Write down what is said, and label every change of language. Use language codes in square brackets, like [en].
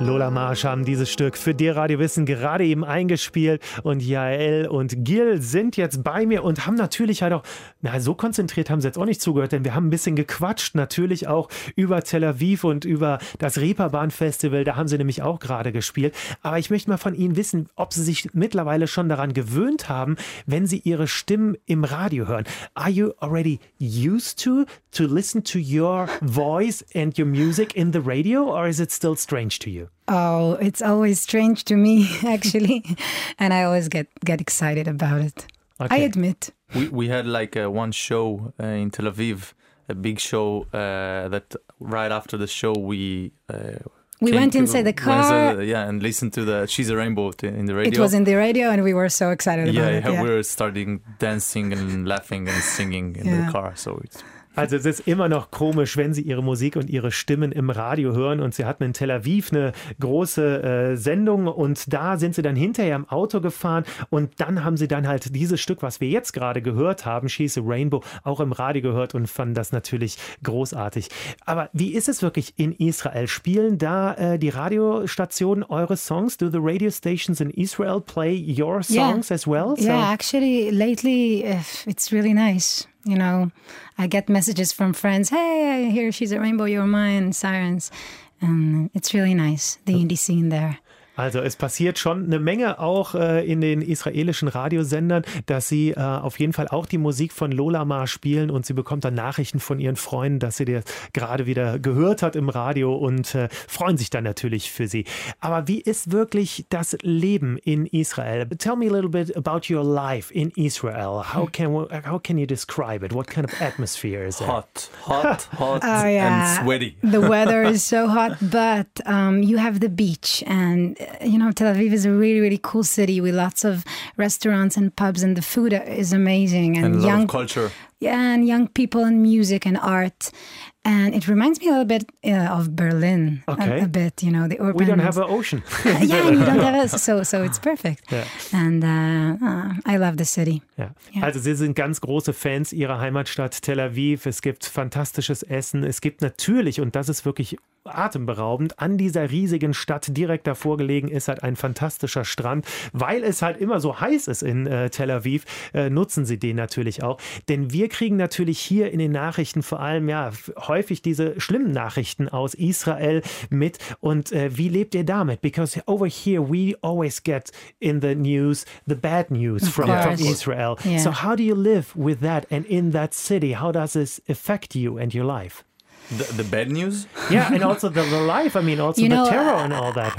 [de] Marsch haben dieses Stück für dir Radio Wissen gerade eben eingespielt und Jael und Gil sind jetzt bei mir und haben natürlich halt auch, na, so konzentriert haben sie jetzt auch nicht zugehört, denn wir haben ein bisschen gequatscht, natürlich auch über Tel Aviv und über das Reeperbahn Festival, da haben sie nämlich auch gerade gespielt. Aber ich möchte mal von Ihnen wissen, ob Sie sich mittlerweile schon daran gewöhnt haben, wenn Sie Ihre Stimmen im Radio hören. [en] Are you already used to listen to your voice and your music in the radio, or is it still strange to you? Oh, it's always strange to me, actually. And I always get excited about it. Okay. I admit. We had like one show in Tel Aviv, a big show that right after the show we went inside the car. And listened to the She's a Rainbow in the radio. It was in the radio and we were so excited about it. Yeah, we were starting dancing and laughing and singing in the car. So it's... [de] Also es ist immer noch komisch, wenn Sie Ihre Musik und Ihre Stimmen im Radio hören und Sie hatten in Tel Aviv eine große Sendung und da sind Sie dann hinterher im Auto gefahren und dann haben Sie dann halt dieses Stück, was wir jetzt gerade gehört haben, She's a Rainbow, auch im Radio gehört und fanden das natürlich großartig. Aber wie ist es wirklich in Israel? Spielen da die Radiostationen eure Songs? [en] Do the radio stations in Israel play your songs as well? So, yeah, actually, lately it's really nice. You know, I get messages from friends, hey, I hear She's a Rainbow, You're Mine, Sirens. And it's really nice, the indie scene there. [de] Also es passiert schon eine Menge auch in den israelischen Radiosendern, dass sie auf jeden Fall auch die Musik von Lola Mar spielen und sie bekommt dann Nachrichten von ihren Freunden, dass sie das gerade wieder gehört hat im Radio und freuen sich dann natürlich für sie. Aber wie ist wirklich das Leben in Israel? [en] Tell me a little bit about your life in Israel. How can you describe it? What kind of atmosphere is it? Hot and sweaty. The weather is so hot, but you have the beach and you know, Tel Aviv is a really, really cool city with lots of restaurants and pubs and the food is amazing. And a young lot of culture. Yeah, and young people and music and art. And it reminds me a little bit of Berlin. Okay. A bit, you know, the urban. We don't have an ocean. Yeah, and you don't have us. So it's perfect. Yeah. And I love the city. Yeah. [de] Also Sie sind ganz große Fans Ihrer Heimatstadt Tel Aviv. Es gibt fantastisches Essen. Es gibt natürlich, und das ist wirklich atemberaubend, an dieser riesigen Stadt direkt davor gelegen ist halt ein fantastischer Strand. Weil es halt immer so heiß ist in Tel Aviv, nutzen Sie den natürlich auch. Denn wir kriegen natürlich hier in den Nachrichten vor allem häufig diese schlimmen Nachrichten aus Israel mit. Und wie lebt ihr damit? [en] Because over here we always get in the news the bad news from Israel. Yeah. So how do you live with that and in that city? How does this affect you and your life? The bad news? Yeah, and also the life, I mean, also you know, the terror and all that.